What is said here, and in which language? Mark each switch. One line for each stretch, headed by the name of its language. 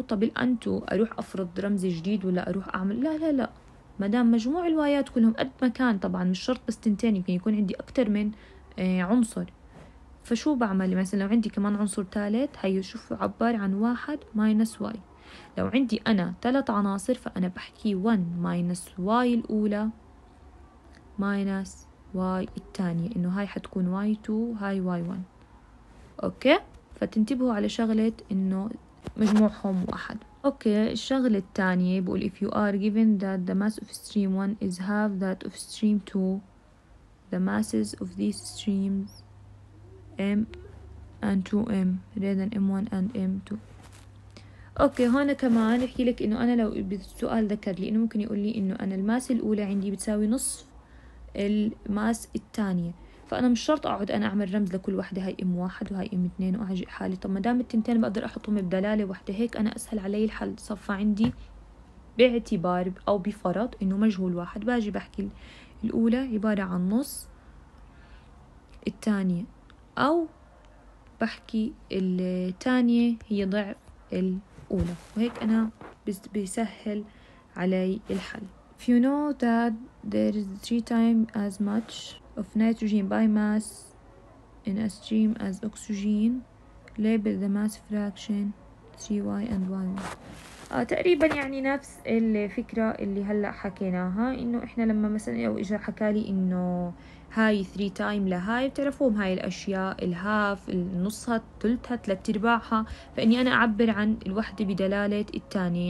Arabic: طب الانتو اروح افرض رمز جديد ولا اروح اعمل؟ لا لا لا، ما دام مجموع الوايات كلهم قد ما كان، طبعا مش شرط بس تنتين، يمكن يكون عندي اكتر من عنصر، فشو بعمل؟ مثلا لو عندي كمان عنصر ثالث، هي شوفوا عبر عن واحد ماينس واي. لو عندي انا ثلاث عناصر فانا بحكي 1 ماينس واي الاولى ماينس واي الثانيه، انه هاي حتكون واي 2 هاي واي 1. اوكي، فتنتبهوا على شغله انه مجموعهم واحد. اوكي، الشغله الثانيه بقول
English: if you are given that the mass of stream 1 is half that of stream 2 the masses of these streams m and 2m rather than m1 and m2.
Arabic: اوكي، هون كمان يحكي لك انه انا لو بالسؤال ذكر لي انه ممكن يقول لي انه انا الماس الاولى عندي بتساوي نصف الماس الثانيه، فانا مش شرط اقعد انا اعمل رمز لكل واحدة، هاي ام واحد وهاي ام اثنين، واعجق حالي. طب ما دام التنتين بقدر احطهم بدلاله واحدة، هيك انا اسهل علي الحل، صفى عندي باعتبار او بفرض انه مجهول واحد، باجي بحكي الاولى عباره عن نص الثانيه، او بحكي الثانيه هي ضعف ال أولى، وهيك أنا بيسهل علي الحل.
English: If you know that there is three times as much of nitrogen by mass in a stream as oxygen, label the mass fraction 3y and y1.
Arabic: تقريبا يعني نفس الفكرة اللي هلأ حكيناها، إنه إحنا لما مثلا أو إجا حكالي إنه هاي 3 تايم لهاي، بتعرفوهم هاي الأشياء الهاف النصها الثلثها ثلاث ارباعها، فإني أنا أعبر عن الوحدة بدلالة الثانية.